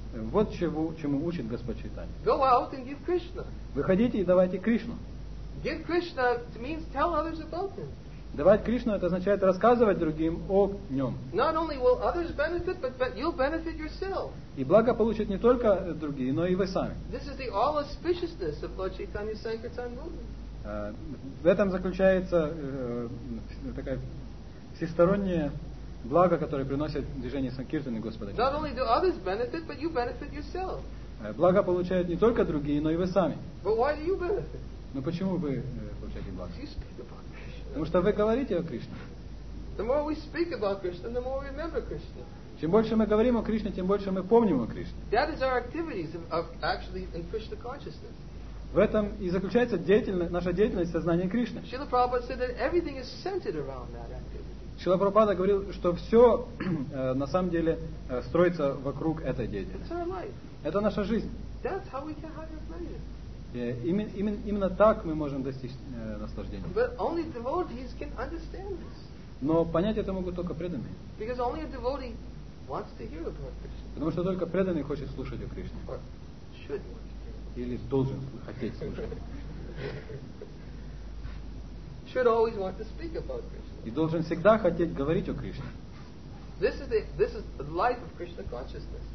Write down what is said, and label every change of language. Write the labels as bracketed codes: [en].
[ru] Вот чему учит Господь Чайтанья. [en] Go out and give Krishna. [ru] Выходите и давайте Кришну. [en] Give Krishna means tell others about him. [ru] Давать Кришну — это означает рассказывать другим о нем. [en] Not only will others benefit, but you'll benefit yourself. [ru] И благо получат не только другие, но и вы сами. [en] This is the all auspiciousness of Lord Chaitanya's Sankirtan movement. [ru] В этом заключается такая всестороннее благо, которое приносит движение Санкиртаны Господа. [en] Not only do others benefit, but you benefit yourself. [ru] Благо получают не только другие, но и вы сами. [en] But why do you benefit? [ru] Но почему вы получаете благо? [en] You speak about it. [ru] Потому что вы говорите о Кришне. [en] The more we speak about Krishna, the more we remember Krishna. [ru] Чем больше мы говорим о Кришне, тем больше мы помним о Кришне. [en] That is our activities of actually in Krishna consciousness. [ru] В этом и заключается наша деятельность сознания Кришны. [en] Srila Prabhupada said that everything is centered around that activity. [ru] Srila Prabhupada говорил, что все на самом деле строится вокруг этой деятельности. [en] It's our life. [ru] Это наша жизнь. [en] That's how we can have our pleasure. [ru] Именно так мы можем достичь наслаждения. [en] But only devotees can understand this. [ru] Но понять это могут только преданные. [en] Because only a devotee wants to hear about Krishna. [ru] Потому что только преданный хочет слушать о Кришне. [en] Or should want to hear. [ru] Или должен хотеть слушать. [en] Should always want to speak about Krishna. [ru] И должен всегда хотеть говорить о Кришне. [en] This is the life of Krishna consciousness.